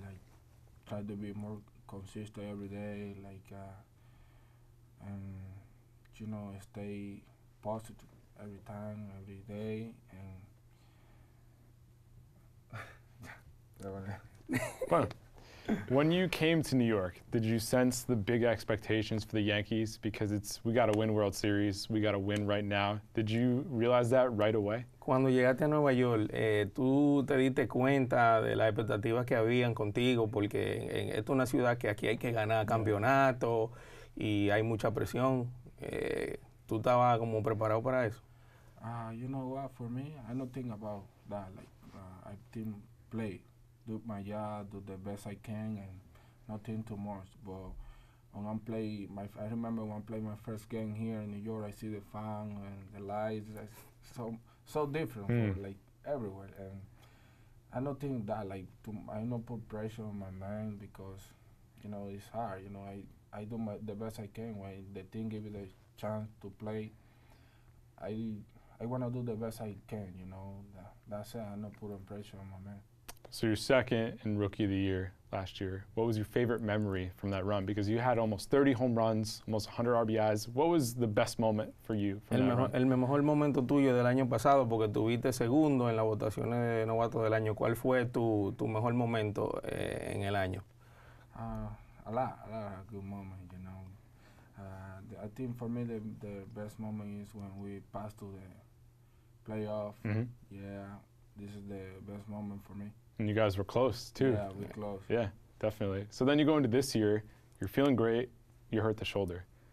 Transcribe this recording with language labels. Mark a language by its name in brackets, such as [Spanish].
[English] Like try to be more consistent every day, like, and you know, stay positive every time, every day, and. When you came to New York, did you sense the big expectations for the Yankees? Because we got to win World Series, we got to win right now. Did you realize that right away? [Spanish] Cuando llegaste a Nueva York, tú te diste cuenta de las expectativas que habían contigo, porque esta es una ciudad que aquí hay que ganar campeonato y hay mucha presión. ¿Tú estabas como preparado para eso? [English] You know what, for me, I don't think about that. Like, I team play, do my job, do the best I can, and nothing too much. But And I'm play my, I remember when I played my first game here in New York, I see the fan and the lights, so different, from, like everywhere. And I don't think that, like, I don't put pressure on my mind because, you know, it's hard. You know, I do my, the best I can when the team gives me the chance to play. I want to do the best I can, you know. That's it. I don't put pressure on my mind. So you're second in Rookie of the Year last year. What was your favorite memory from that run? Because you had almost 30 home runs, almost 100 RBIs. What was the best moment for you from [Spanish] el [English] that [Spanish] mejor, [English] run? [Spanish] El mejor momento tuyo del año pasado, porque tuviste segundo en la votación de novato del año. ¿Cuál fue tu mejor momento en el año? [English] A lot of good moments, you know. I think for me the best moment is when we passed to the playoff. Mm-hmm. Yeah, this is the best moment for me. And you guys were close, too. Yeah, we're close. Yeah, definitely. So then you go into this year, you're feeling great, you hurt the shoulder.